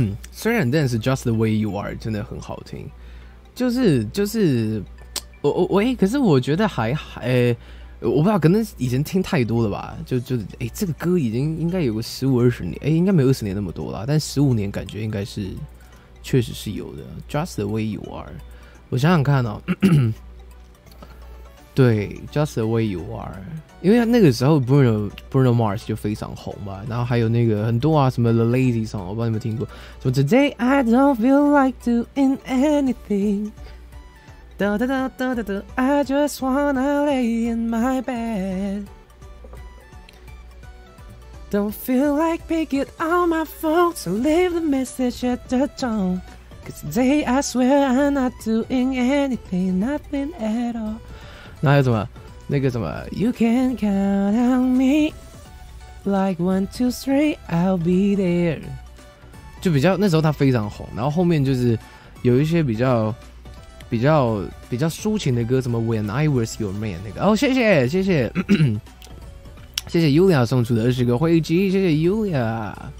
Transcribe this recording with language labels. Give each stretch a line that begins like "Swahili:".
Chinese: 虽然 Dance Just the Way You Are 真的很好听，就是。我可是我觉得还我不知道，可能以前听太多了吧，就这个歌已经应该有个十五二十年，应该没有二十年那么多了，但十五年感觉应该是确实是有的。 Just the way you are， 我想想看哦，对 ，Just the way you are， 因为那个时候 Bruno Mars 就非常红嘛，然后还有那个很多啊，什么 The Lazy Song， 我不知道你们听过，什么
English: Today I don't feel like doing anything。 I just wanna lay in my bed. Don't feel like picking up my phone, so leave the message at the tone. Cause today I swear I'm not doing anything, nothing at all.
Chinese: 那还有什么？那个什么 ？
English: You can count on me, like one, two, three, I'll be there.
Chinese: 就比较那时候他非常红，然后后面就是有一些比较抒情的歌，什么 When I Was Your Man 那个哦，谢谢谢谢 Yulia 送出的二十个灰机，谢谢 Yulia。